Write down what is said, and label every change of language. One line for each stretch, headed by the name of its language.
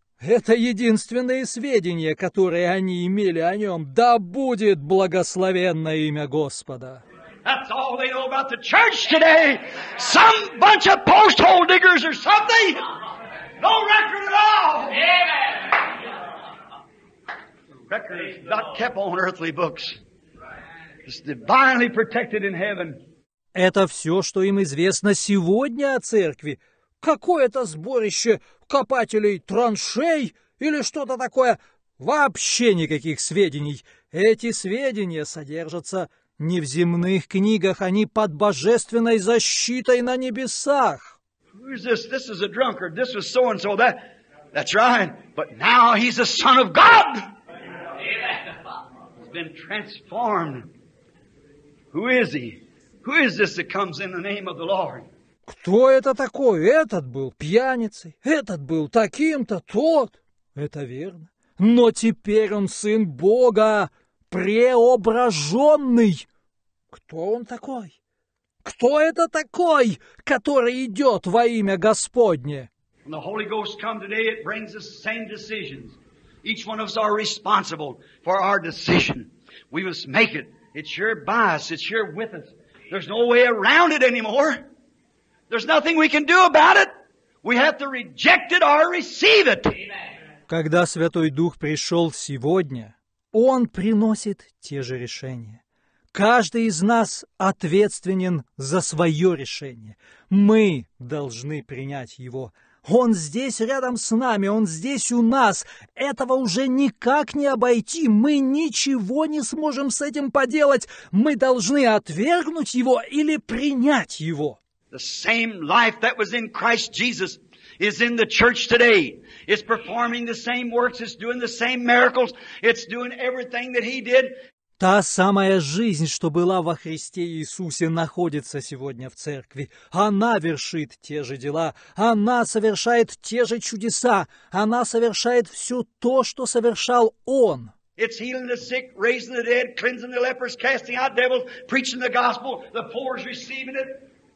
Russian: Это единственные сведения, которые они имели о нем. Да будет благословенно имя Господа.
English: That's all they know about the church today. Some bunch of post hole diggers or something. No record at all. Amen. The record is not kept on earthly books. It's divinely protected in heaven.
Russian: Это все, что им известно сегодня о церкви. Какое-то сборище копателей траншей или что-то такое. Вообще никаких сведений. Эти сведения содержатся не в земных книгах, они под божественной защитой на небесах.
English: Who's this? This is a drunkard. This was so-and-so. That's right. But now he's the Son of God. He's been transformed. Who is he? Who is this that comes in the name of the Lord?
Russian: Кто это такой? Этот был пьяницей. Этот был таким-то, тот. Это верно. Но теперь он сын Бога, преображенный. Кто он такой? Кто это такой, который идет во имя Господне?
English: When the Holy Ghost comes today, it brings us the same decisions. Each one of us are responsible for our decision. We must make it. It's here by us. It's here with us. There's no way around it anymore. There's nothing we can do about it. We have to reject it or receive it.
Russian: Когда Святой Дух пришел сегодня, Он приносит те же решения. Каждый из нас ответственен за свое решение. Мы должны принять Его. Он здесь рядом с нами, Он здесь у нас. Этого уже никак не обойти. Мы ничего не сможем с этим поделать. Мы должны отвергнуть Его или принять Его.
English: The same life that was in Christ Jesus is in the church today. It's performing the same works, it's doing the same miracles, it's doing everything that He did.
Russian: Та самая жизнь, что была во Христе Иисусе, находится сегодня в церкви. Она вершит те же дела, она совершает те же чудеса, она совершает все то, что совершал Он.
English: It's healing the sick, raising the dead, cleansing the lepers, casting out devils, preaching the gospel, the poor is receiving it.